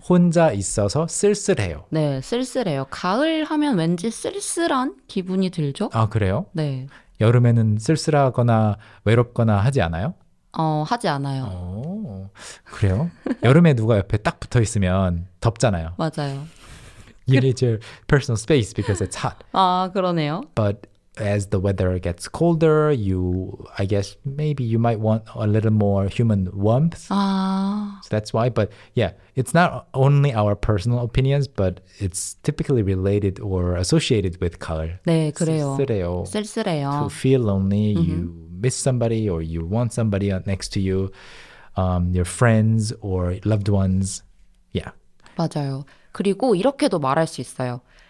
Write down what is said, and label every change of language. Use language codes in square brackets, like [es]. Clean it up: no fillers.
[ko] 혼자 있어서 쓸쓸해요. 네, 쓸쓸해요. 가을 하면 왠지 쓸쓸한 기분이 들죠? 아, 그래요? 네. 여름에는 쓸쓸하거나 외롭거나 하지 않아요? 하지 않아요. 그래요? 여름에 누가 옆에 딱 붙어 있으면 덥잖아요. 맞아요. [en] You need your personal space because it's hot. [ko] 아, 그러네요. [en] But as the weather gets colder, I guess maybe you might want a little more human warmth. [ko] 아. [en] So that's why. But yeah, it's not only our personal opinions, but it's typically related or associated with color. [ko] 네, 그래요. 쓸쓸해요. 쓸쓸해요. [en] To feel lonely, you miss somebody or you want somebody next to you, your friends or loved ones. Yeah. [ko] 맞아요. 그리고 이렇게도 말할 수 있어요.